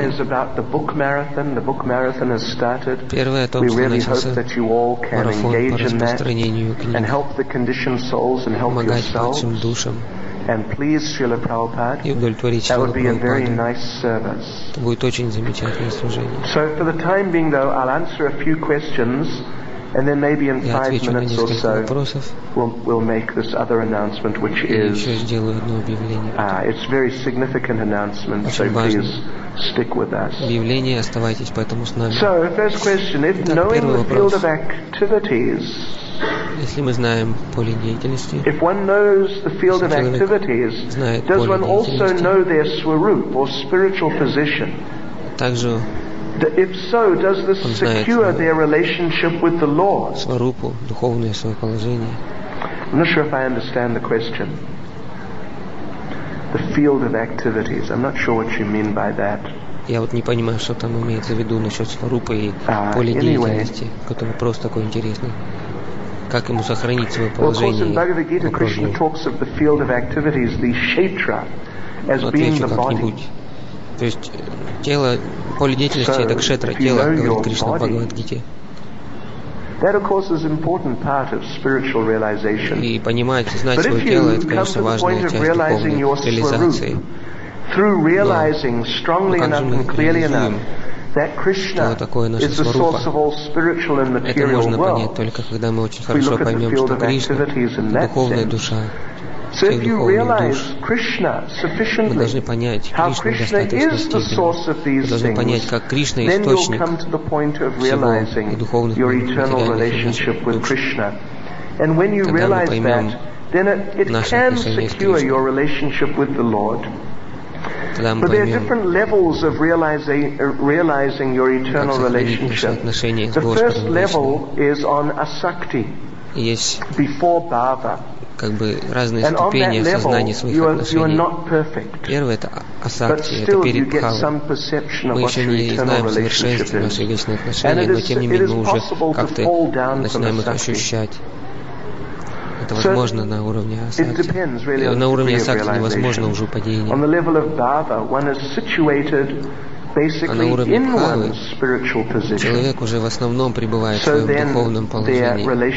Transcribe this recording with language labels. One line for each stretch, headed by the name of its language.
English: One is about the book marathon. The book marathon has started.
Russian: Первое о том, что начался марафон по распространению книг.
English: And help the conditioned souls and help yourselves. And please, Srila Prabhupada, that would be Prabhupada. A very nice service. Это будет очень замечательное служение. So for the time being, though, I'll answer a few questions, and then maybe in
Russian: Я
English: five minutes or so, we'll make this other announcement, which is it's very significant announcement.
Russian: Очень важно.
English: Please stick with us.
Russian: Объявление, оставайтесь поэтому с нами.
English: So first question: if
Russian: Итак,
English: knowing the field of activities.
Russian: Если мы знаем поле деятельности,
English: if one knows the field of activities, does one also know their swarup or spiritual position?
Russian: Также,
English: if so, does this secure their relationship with the Lord?
Russian: Сварупу, духовное свое положение.
English: I'm not sure if I understand the question. The field of activities. I'm not sure what you mean by that.
Russian: Я вот не понимаю, что там имеется в виду насчет сварупы и поле деятельности, который просто такой интересный. Как ему сохранить свое положение?
English: Well, of course, in Bhagavad Gita, Krishna talks of the field of activities, the kshetra, as being the body.
Russian: То есть тело, поле деятельности – это кшетра, тело, говорит Кришна в Бхагавад Гите.
English: That, of course, is an important part of spiritual realization.
Russian: И понимать, знать свое тело – это, конечно, важная часть духовной реализации.
English: Through realizing strongly enough and clearly enough. That Krishna is the source of all spiritual and material world.
Russian: Это можно понять только когда мы очень хорошо поймем, что Кришна духовная душа.
English: So if you realize Krishna sufficiently,
Russian: мы должны понять,
English: how Krishna is the source of these things, then you'll come to the point of realizing your eternal relationship with Krishna. And when you realize that, then it can secure your relationship with the Lord. But there are different levels of realizing your eternal relationship. The first level is on asakti, before bhava.
Russian: Как бы разные ступени осознания своих отношений. Первое – это асакти, это перед бхавой. Мы еще не знаем совершенства наших вечных отношений, но тем не менее мы уже как-то начинаем их ощущать. Это возможно на уровне асакти. На уровне асакти невозможно уже падение.
English: On the level of bhava, one is situated
Russian: на уровне бхавы человек уже в основном пребывает в своем духовном положении.